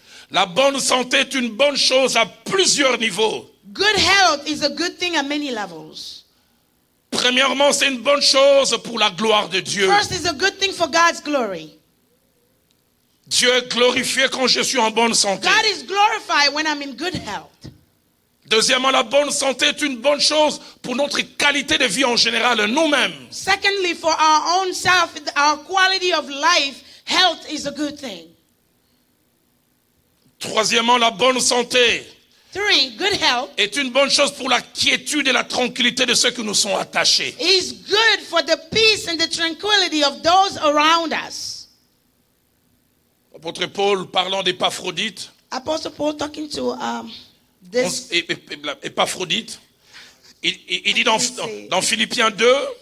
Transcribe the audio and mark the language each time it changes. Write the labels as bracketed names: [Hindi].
[French] La bonne santé est une bonne chose à plusieurs niveaux. [English] Good health is a good thing at many levels. [French] Premièrement, c'est une bonne chose pour la gloire de Dieu. [English] First is a good thing for God's glory. [French] Dieu est glorifié quand je suis en bonne santé. [English] God is glorified when I'm in good health. [French] Deuxièmement, la bonne santé est une bonne chose pour notre qualité de vie en général, nous-mêmes. [English] Secondly, for our own self, our quality of life, health is a good thing. [French] Troisièmement, la bonne santé. [English] Three, good health [French] est une bonne chose pour la quiétude et la tranquillité de ceux qui nous sont attachés. [English] Is good for the peace and the tranquility of those around us. [French] Apôtre Paul parlant d'Épaphrodite. [English] Apostle Paul talking to this. [French] Épaphrodite. Il dit dans Philippiens 2.